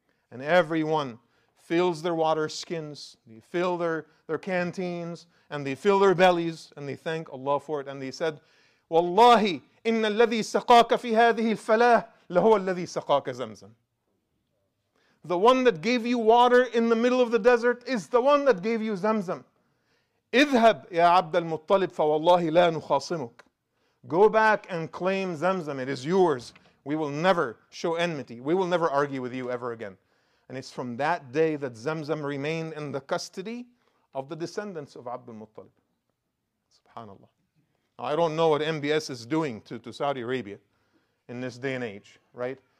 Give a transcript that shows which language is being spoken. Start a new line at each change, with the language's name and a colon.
English: And everyone fills their water skins, they fill their canteens, and they fill their bellies, and they thank Allah for it. And they said, Wallahi,
Arabic: إِنَّ الَّذِي سَقَاكَ فِي هَذِهِ الْفَلَاهِ لَهُوَ الَّذِي سَقَاكَ زَمْزَمْ.
English: The one that gave you water in the middle of the desert is the one that gave you Zamzam.
Arabic: اذهب يا عبد المطلب فوالله لا نخاصمك.
English: Go back and claim Zamzam. It is yours. We will never show enmity. We will never argue with you ever again. And it's from that day that Zamzam remained in the custody of the descendants of Abd al-Muttalib. Subhanallah. I don't know what MBS is doing to Saudi Arabia in this day and age, right?